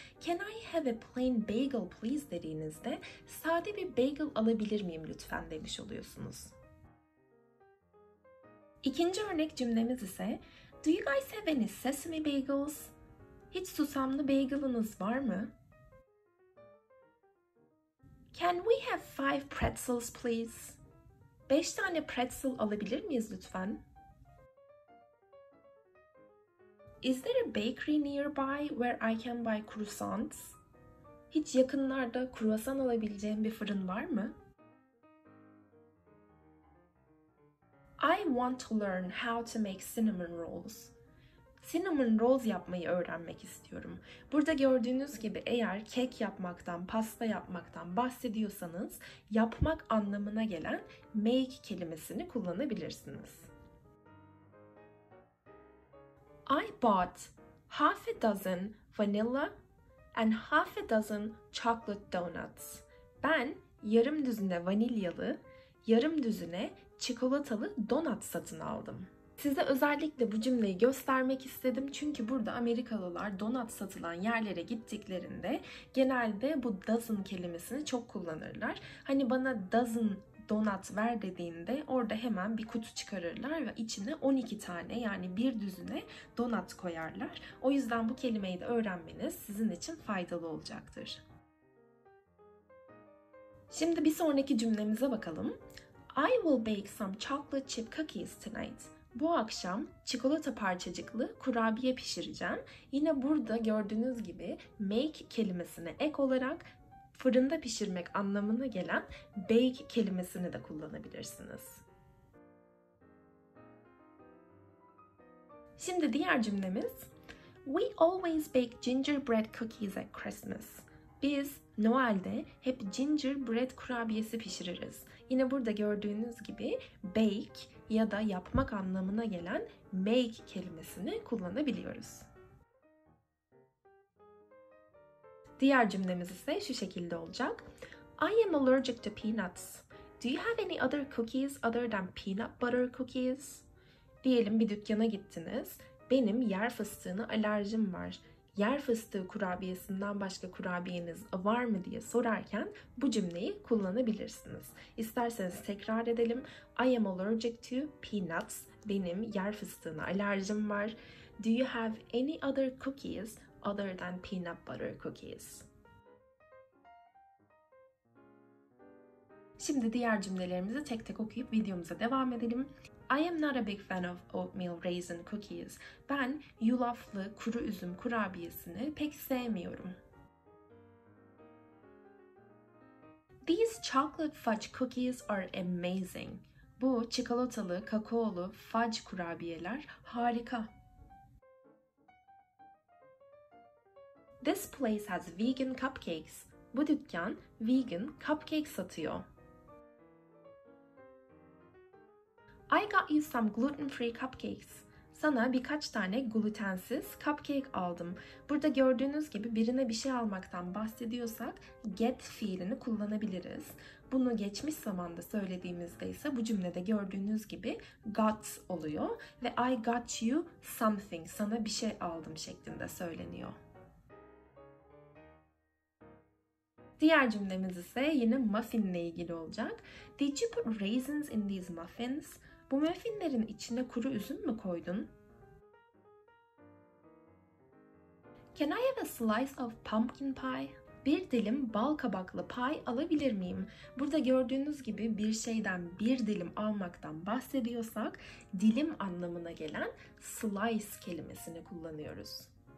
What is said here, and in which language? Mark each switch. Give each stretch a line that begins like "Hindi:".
English: Can I have a plain bagel please
Turkish: dediğinizde sade bir bagel alabilir miyim lütfen demiş oluyorsunuz. İkinci örnek cümlemiz ise
English: Do you guys have any sesame bagels?
Turkish: Hiç susamlı bagel'ınız var mı?
English: Can we have 5 pretzels please?
Turkish: 5 tane pretzel alabilir miyiz lütfen?
English: Is there a bakery nearby where I can buy croissants?
Turkish: Hiç yakınlarda kruvasan alabileceğim bir fırın var mı?
English: I want to learn how to make cinnamon rolls.
Turkish: Cinnamon rolls yapmayı öğrenmek istiyorum. Burada gördüğünüz gibi eğer kek yapmaktan, pasta yapmaktan bahsediyorsanız yapmak anlamına gelen make kelimesini kullanabilirsiniz.
English: I bought half a dozen vanilla and half a dozen chocolate donuts.
Turkish: Ben yarım düzine vanilyalı, yarım düzine çikolatalı donut satın aldım. Size özellikle bu cümleyi göstermek istedim çünkü burada Amerikalılar donut satılan yerlere gittiklerinde genelde bu dozen kelimesini çok kullanırlar. Hani bana dozen donut ver dediğinde orada hemen bir kutu çıkarırlar ve içine 12 tane yani bir düzine donut koyarlar. O yüzden bu kelimeyi de öğrenmeniz sizin için faydalı olacaktır. Şimdi bir sonraki cümlemize bakalım.
English: I will bake some chocolate chip cookies tonight.
Turkish: Bu akşam çikolata parçacıklı kurabiye pişireceğim. Yine burada gördüğünüz gibi make kelimesine ek olarak fırında pişirmek anlamına gelen bake kelimesini de kullanabilirsiniz. Şimdi diğer cümlemiz.
English: We always bake gingerbread cookies at Christmas.
Turkish: Biz Noel'de hep gingerbread kurabiyesi pişiririz. Yine burada gördüğünüz gibi bake ya da yapmak anlamına gelen make kelimesini kullanabiliyoruz. Diğer cümlemiz ise şu şekilde olacak.
English: I am allergic to peanuts. Do you have any other cookies other than peanut butter cookies?
Turkish: Diyelim bir dükkana gittiniz. Benim yer fıstığına alerjim var. Yer fıstığı kurabiyesinden başka kurabiyeniz var mı diye sorarken bu cümleyi kullanabilirsiniz. İsterseniz tekrar edelim.
English: I am allergic to peanuts.
Turkish: Benim yer fıstığına alerjim var.
English: Do you have any other cookies other than peanut butter cookies?
Turkish: Şimdi diğer cümlelerimizi tek tek okuyup videomuza devam edelim.
English: I am not a big fan of oatmeal raisin cookies.
Turkish: Ben yulaflı kuru üzüm kurabiyesini pek sevmiyorum.
English: These chocolate fudge cookies are amazing.
Turkish: Bu çikolatalı, kakaolu fudge kurabiyeler harika.
English: This place has vegan cupcakes.
Turkish: Bu dükkan vegan cupcake satıyor.
English: I got you some gluten-free cupcakes.
Turkish: Sana birkaç tane glutensiz cupcake aldım. Burada gördüğünüz gibi birine bir şey almaktan bahsediyorsak get fiilini kullanabiliriz. Bunu geçmiş zamanda söylediğimizde ise bu cümlede gördüğünüz gibi got oluyor ve
English: I got you something,
Turkish: sana bir şey aldım şeklinde söyleniyor. Diğer cümlemiz ise yine muffin ile ilgili olacak.
English: Did you put raisins in these muffins?
Turkish: Bu muffinlerin içine kuru üzüm mü koydun?
English: Can I have a slice of pumpkin pie?
Turkish: Bir dilim bal kabaklı pay alabilir miyim? Burada gördüğünüz gibi bir şeyden bir dilim almaktan bahsediyorsak dilim anlamına gelen slice kelimesini kullanıyoruz.